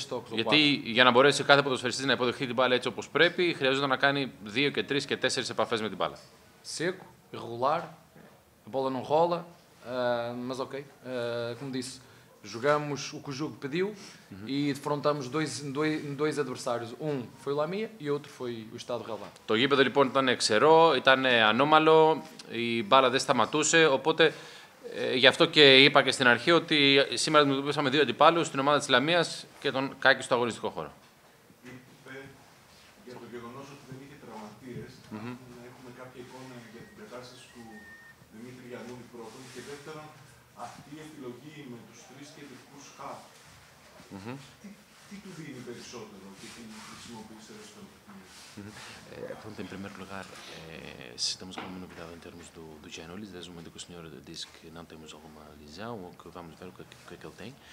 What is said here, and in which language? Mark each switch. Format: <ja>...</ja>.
<el>Γιατί για να μπορέσει κάθε ποδοσφαιριστής να υποδεχθεί την μπάλα έτσι όπως πρέπει, χρειάζεται να κάνει 2 και 3 και 4 επαφές με την μπάλα.</el> <pt>Seco, irregular, a bola não rola, mas ok. Como disse, jogamos o que o jogo pediu e defrontamos dois adversários. Um foi o Lamia e outro foi o Estádio Relvado.</pt> <el>Το γήπεδο λοιπόν ήταν ξερό, ήταν ανώμαλο, η μπάλα δεν σταματούσε. Οπότε γι' αυτό και είπα και στην αρχή ότι σήμερα αντιμετωπίσαμε δύο αντιπάλους, την ομάδα της Λαμίας και τον Κάκη στο αγωνιστικό χώρο. Είπε για το γεγονός ότι δεν είχε τραυματίες, να έχουμε κάποια εικόνα για την κατάσταση του Δημήτρη Γιαννούλη πρώτον και δεύτερον, αυτή η επιλογή με τους τρεις κεντρικούς χαφ, τι του δίνει περισσότερο και τι χρησιμοποιήσε ως τον</el> <pt>Pronto, em primeiro lugar, se estamos com uma novidade em termos do Giannoli, desde o momento que o senhor disse que não temos alguma lesão, ou que vamos ver o que é que ele tem.</pt>